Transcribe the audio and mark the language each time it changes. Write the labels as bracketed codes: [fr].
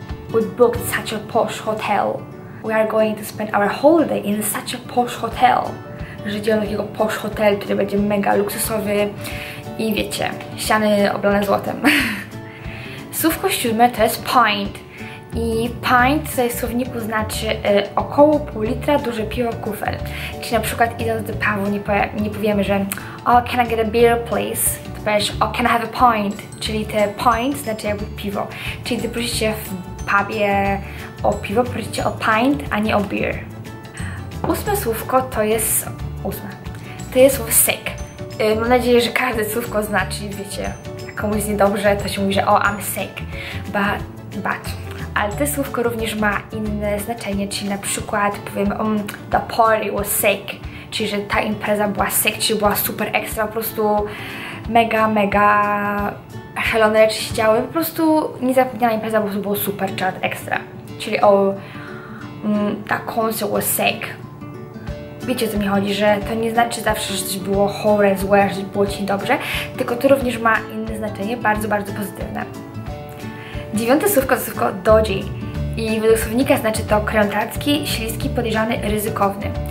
[en] We booked such a posh hotel. We are going to spend our holiday in such a posh hotel. [pl] Żydziłam takiego [en] posh hotel, [pl] który będzie mega luksusowy i wiecie, ściany oblane złotem. Słówko siódme to jest pint. I pint tutaj w słowniku znaczy około pół litra duże piwo kufel. Czyli na przykład idąc do pubu nie powiemy, że [en] oh, can I get a beer please? [pl] To powiesz, [en] oh, can I have a pint? [pl] Czyli te pint znaczy jakby piwo. Czyli gdy prosicie w pubie o piwo, prosicie o pint, a nie o beer. Ósme słówko to jest... ósme. To jest słowo sick. Mam nadzieję, że każde słówko znaczy, wiecie, jak komuś jest niedobrze, to się mówi, że [en] oh, I'm sick. But. [pl] Ale to słówko również ma inne znaczenie, czyli na przykład powiem [en] the party was sick, [pl] czyli że ta impreza była sick, czyli była super ekstra, po prostu mega, mega szalone rzeczy się działy, po prostu niezapomniana impreza, po prostu było super czad ekstra. Czyli [en] the concert was sick. [pl] Wiecie, o co mi chodzi, że to nie znaczy zawsze, że coś było chore, złe, że było ci dobrze, tylko to również ma inne znaczenie, bardzo, bardzo pozytywne. Dziewiąte słówko to słówko dodgy i według słownika znaczy to krętacki, śliski, podejrzany, ryzykowny.